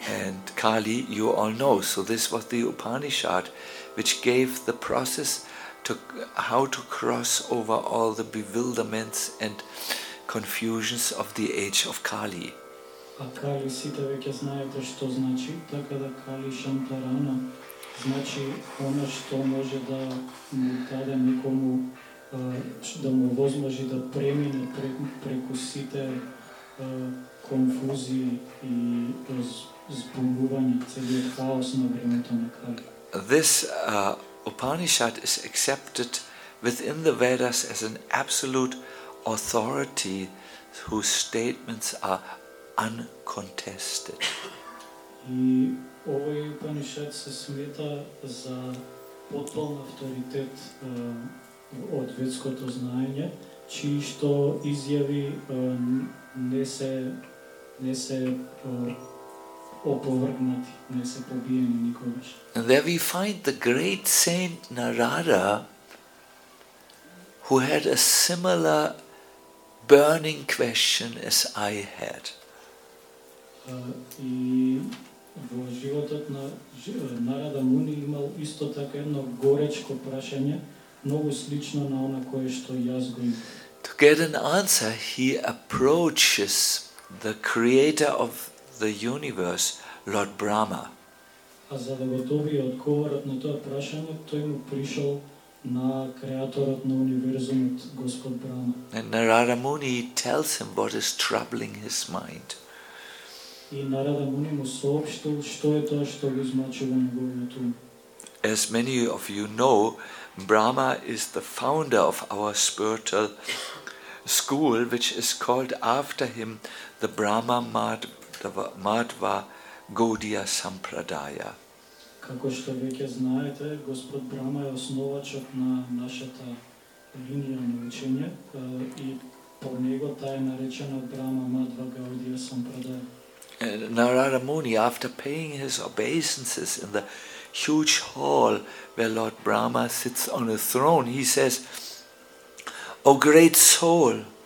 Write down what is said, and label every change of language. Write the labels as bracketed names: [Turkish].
[English] And Kali, you all know, so this was the Upanishad, which gave the process to how to cross over all the bewilderments and confusions of the age of Kali. [Macedonian] А Кали сите веќе знаете што значи, така да Кали Шантарана значи она што може да му даде некому да му возможи да премине преку сите конфузии и збунување, целиот хаос на времето на Кали. [English] This Upanishad is accepted within the Vedas as an absolute authority whose statements are uncontested. [Macedonian] И овој Упанишад се смета за потполен авторитет од ведското знаење, чии што изјави не се опровргнати, не се побиени никогаш. [English] And there we find the great saint Narada, who had a similar burning question as I had. [Macedonian] И во животот на Нарада Муни имал исто така едно горечко прашање, многу слично на она кое што јас го имам. [English] To get an answer, he approaches the creator of the universe, Lord Brahma. [Macedonian] А за да го добие одговорот на тоа прашање, тој му пришол на креаторот на универзумот Господ Брама. [English] And Narada Muni tells him what is troubling his mind. [Macedonian] И Narada Muni му соопштил што е тоа што го измачува неговиот ум. [English] As many of you know, Brahma is the founder of our spiritual school, which is called after him the Brahma Madhva Gaudiya Sampradaya. [Macedonian] Како што веќе знаете, Господ Брама е основачот на нашата линија на учење и по него таа е наречена Брама Мадва Гаудија Сампрадаја. [English] Narada Muni, after paying his obeisances in the huge hall where Lord Brahma sits on a throne, he says, O great soul!